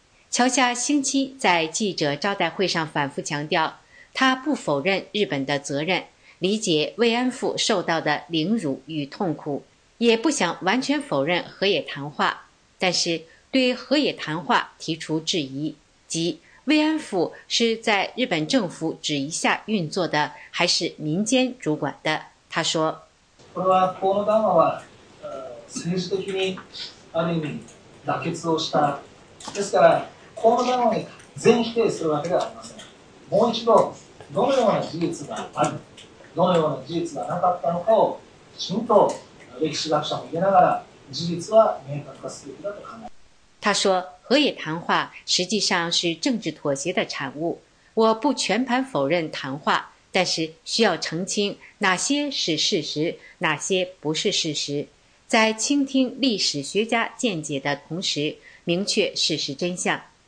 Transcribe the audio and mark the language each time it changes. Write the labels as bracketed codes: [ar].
[zh] 乔夏星期在记者招待会上反复强调，他不否认日本的责任，理解慰安妇受到的凌辱与痛苦，也不想完全否认河野谈话，但是对河野谈话提出质疑，即慰安妇是在日本政府旨意下运作的，还是民间主管的？他说， [ja] これは河野談話は政治的にある意味妥結をした。ですから河野談話に全否定するわけではありません。もう一度どのような事実がある、どのような事実がなかったのかをきちんと歴史学者も言えながら事実は明確化すべきだと考え。 [zh] 他说，河野谈话实际上是政治妥协的产物，我不全盘否认谈话，但是需要澄清哪些是事实，哪些不是事实，在倾听历史学家见解的同时明确事实真相。